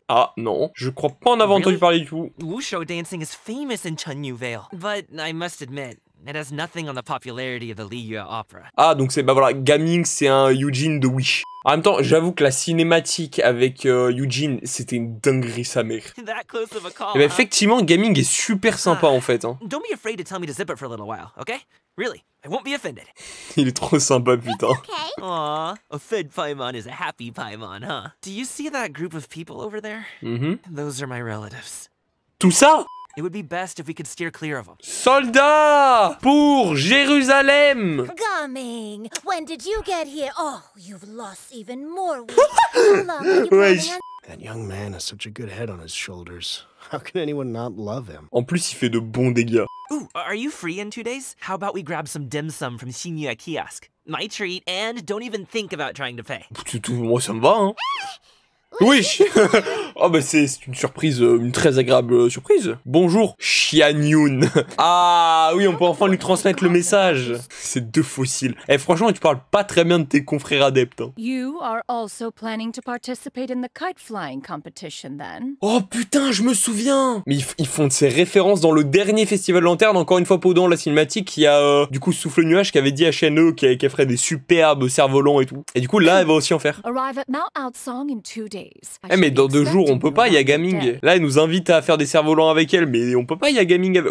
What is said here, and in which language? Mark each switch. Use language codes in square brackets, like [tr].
[fr] Ah, non, je crois pas en avoir entendu parler du tout. [en] Wushou dancing is famous in Chunyu Vale, but I must admit, it has nothing on the popularity of the Liyue opera. [fr] Ah, donc c'est, bah voilà, Gaming, c'est un Eugene de Wish. En même temps, j'avoue que la cinématique avec Eugene, c'était une dinguerie sa mère. Et bah effectivement, Gaming est super sympa en fait. [en] Don't be afraid to tell me to zip it for a little while, okay? Really, I won't be offended. [fr] Il est trop sympa, putain. [en] Aw, a fed Paimon is a happy Paimon, huh? Do you see that group of people over there? Mm-hmm. Those are my relatives. [fr] Tout ça? [en] It would be best if we could steer clear of them. [fr] Soldats pour Jérusalem. [en] Gaming, when did you get here? Oh, you've lost even more weight. That young man has such a good head on his shoulders. How can anyone not love him? [fr] En plus, il fait de bons dégâts. [en] Ooh, are you free in 2 days? How about we grab some dim sum from Xinyue kiosk? My treat, and don't even think about trying to pay. [fr] Moi, ça me va, hein. Oui. Oh bah c'est une surprise, une très agréable surprise. Bonjour, Shang Yun. Ah oui, on peut enfin lui transmettre le message. C'est deux fossiles. Eh franchement, tu parles pas très bien de tes confrères adeptes. [en] You are also planning to participate in the kite flying competition then. [fr] Oh putain, je me souviens. Mais ils font de ces références dans le dernier festival de lanterne. Encore une fois, pendant la cinématique, il y a du coup Souffle Nuage qui avait dit à Shang Yun qu'elle ferait des superbes cerfs-volants et tout. Et du coup, là, elle va aussi en faire. [en] Arrive at Mount Outsong in 2 days. [fr] Eh mais dans 2 jours, on peut pas, il y a Gaming. Là, elle nous invite à faire des cerfs-volants avec elle, mais on peut pas, il y a Gaming avec...